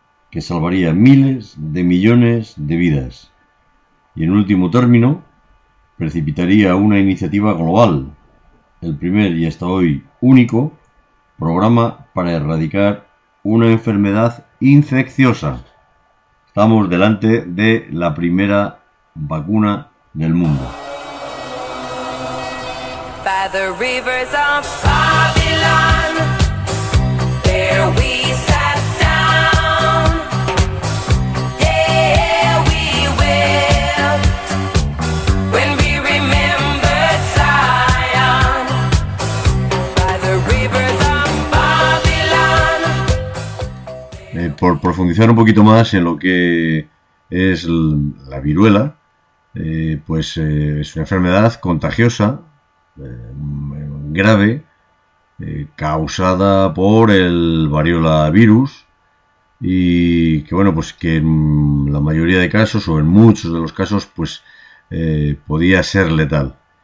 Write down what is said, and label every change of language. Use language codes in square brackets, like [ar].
[es] que salvaría miles de millones de vidas y, en último término, precipitaría una iniciativa global, el primer y hasta hoy único programa para erradicar una enfermedad infecciosa. Estamos delante de la primera vacuna del mundo. [en] By the rivers of Babylon, there we sat down. There we wept when we remembered Zion. By the rivers of Babylon. [es] Por profundizar un poquito más en lo que es la viruela, es una enfermedad contagiosa, grave, causada por el variola virus, y que en la mayoría de casos, o en muchos de los casos, podía ser letal.